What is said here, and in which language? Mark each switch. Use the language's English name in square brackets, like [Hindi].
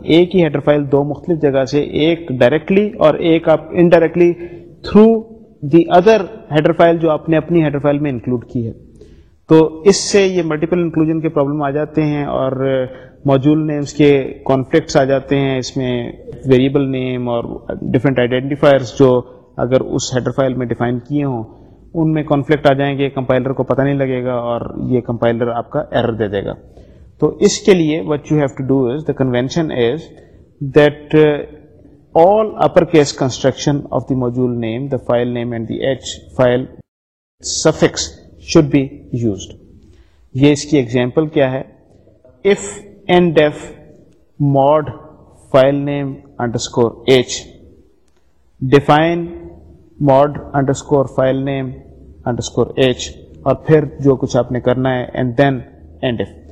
[Urdu] ایک ہی header file دو مختلف جگہ سے, ایک ڈائریکٹلی اور ایک آپ indirectly through the other header file جو آپ نے اپنی ہیڈر فائل میں انکلوڈ کی ہے, تو اس سے یہ ملٹیپل انکلوژن کے پرابلم آ جاتے ہیں اور موجول نیمز کے کانفلکٹس آ جاتے ہیں اس میں, ویریبل نیم اور ڈفرینٹ آئیڈینٹیفائرس جو اگر اس ہیڈر فائل میں ڈیفائن کیے ہوں ان میں کانفلکٹ آ جائیں گے, کمپائلر کو پتہ نہیں لگے گا اور یہ کمپائلر آپ کا ایرر دے دے گا. تو اس کے لیے [English] What you have to do is the convention is that all upper case construction of the module name the file name and the H file suffix should be used. [Urdu] یہ اس کی ایگزامپل کیا ہے, if and ڈیف mood file name underscore H define mod underscore file name underscore h اور پھر جو کچھ آپ نے کرنا ہے اینڈ دین اینڈ ایف.